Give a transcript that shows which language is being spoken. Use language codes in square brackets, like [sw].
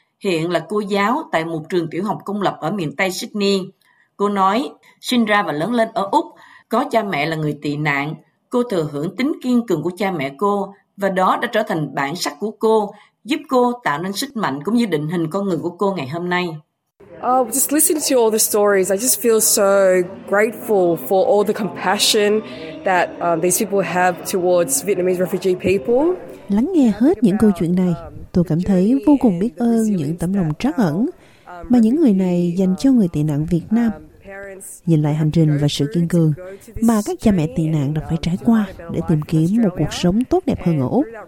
[vi] Hiện là cô giáo tại một trường tiểu học công lập ở miền Tây Sydney. Cô nói, sinh ra và lớn lên ở Úc, có cha mẹ là người tị nạn. Cô thừa hưởng tính kiên cường của cha mẹ cô và đó đã trở thành bản sắc của cô, giúp cô tạo nên sức mạnh cũng như định hình con người của cô ngày hôm nay. [en] Oh, just listening to all the stories, I just feel so grateful for all the compassion that these people have towards Vietnamese refugee people. [vi] Lắng nghe hết những câu chuyện này, tôi cảm thấy vô cùng biết ơn những tấm lòng trắc ẩn mà những người này dành cho người tị nạn Việt Nam. Nhìn lại hành trình và sự kiên cường mà các cha mẹ tị nạn đã phải trải qua để tìm kiếm một cuộc sống tốt đẹp hơn ở Úc.